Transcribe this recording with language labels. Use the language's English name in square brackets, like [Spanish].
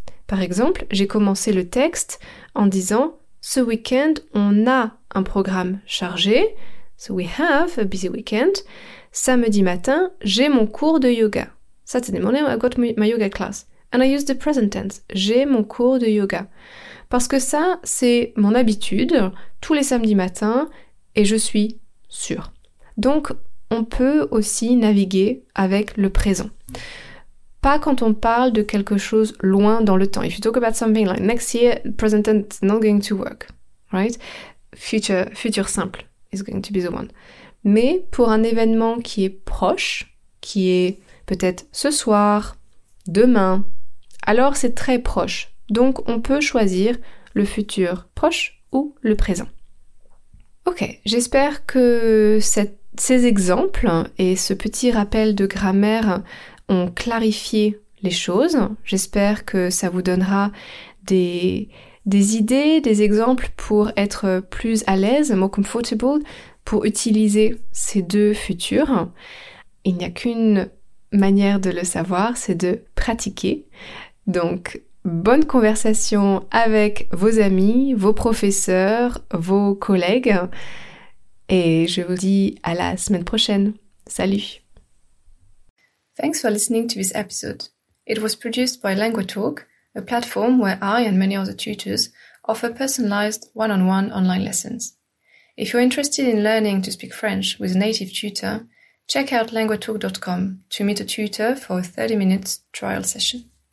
[French] Par exemple, j'ai commencé le texte en disant « Ce week-end, on a un programme chargé. [English] So we have a busy weekend. [French] Samedi matin, j'ai mon cours de yoga. [English] Saturday morning, I got my yoga class. And I use the present tense. [French] J'ai mon cours de yoga. » Parce que ça, c'est mon habitude, tous les samedis matins, et je suis sûre. Donc, on peut aussi naviguer avec le présent. Pas quand on parle de quelque chose loin dans le temps. [English] If you talk about something like next year, present tense is not going to work, right? Future simple is going to be the one. [French] Mais pour un événement qui est proche, qui est peut-être ce soir, demain, alors c'est très proche. Donc on peut choisir le futur proche ou le présent. Ok, j'espère que ces exemples et ce petit rappel de grammaire ont clarifié les choses. J'espère que ça vous donnera des idées, des exemples pour être plus à l'aise, [English] more comfortable, [French] pour utiliser ces deux futurs. Il n'y a qu'une manière de le savoir, c'est de pratiquer. Donc, bonne conversation avec vos amis, vos professeurs, vos collègues. Et je vous dis à la semaine prochaine. Salut! [English] Thanks for listening to this episode. It was produced by LanguageTalk, a platform where I and many other tutors offer personalized one-on-one online lessons. If you're interested in learning to speak French with a native tutor, check out LanguageTalk.com to meet a tutor for a 30-minute trial session.